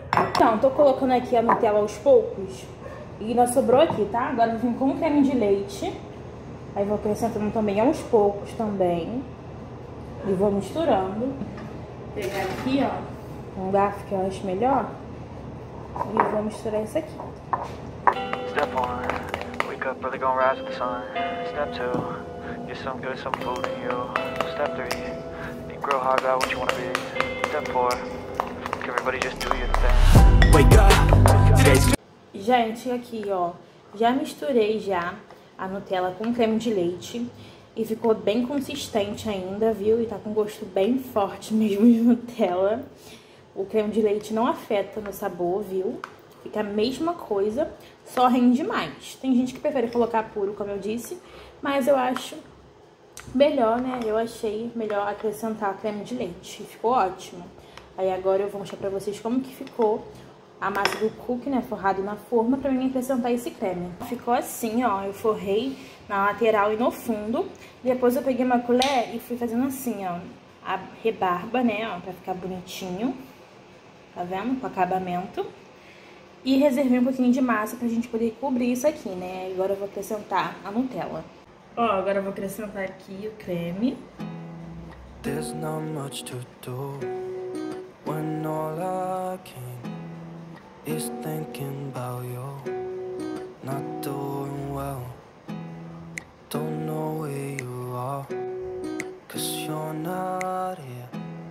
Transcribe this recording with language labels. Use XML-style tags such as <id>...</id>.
<pt>Então, tô colocando aqui a Nutella aos poucos. E ainda sobrou aqui, tá? Agora eu vim com um creme de leite. Aí vou acrescentando também aos poucos também. E vou misturando. Vou pegar aqui, ó. Um garfo que eu acho melhor. E vou misturar isso aqui.</pt> <en>Step 1. Wake up, early gonna rise with the sun. Step 2. Get some good, some food in you. Step 3. You grow hard, got what you wanna be. Step 4. Everybody just do your thing. Wake up.</en> <pt>Gente, aqui, ó, já misturei já a Nutella com creme de leite e ficou bem consistente ainda, viu? E tá com gosto bem forte mesmo de Nutella. O creme de leite não afeta no sabor, viu? Fica a mesma coisa, só rende mais. Tem gente que prefere colocar puro, como eu disse, mas eu acho melhor, né? Eu achei melhor acrescentar creme de leite, ficou ótimo. Aí agora eu vou mostrar pra vocês como que ficou a massa do cookie, né, forrado na forma, pra mim acrescentar esse creme. Ficou assim, ó, eu forrei na lateral e no fundo. Depois eu peguei uma colher e fui fazendo assim, ó, a rebarba, né, ó, pra ficar bonitinho. Tá vendo? Com acabamento. E reservei um pouquinho de massa pra gente poder cobrir isso aqui, né. Agora eu vou acrescentar a Nutella. Ó, agora eu vou acrescentar aqui o creme.</pt> <en>There's not much to do when all I can. Is thinking about you, not doing well. Don't know where you are, 'cause you're not here.</en>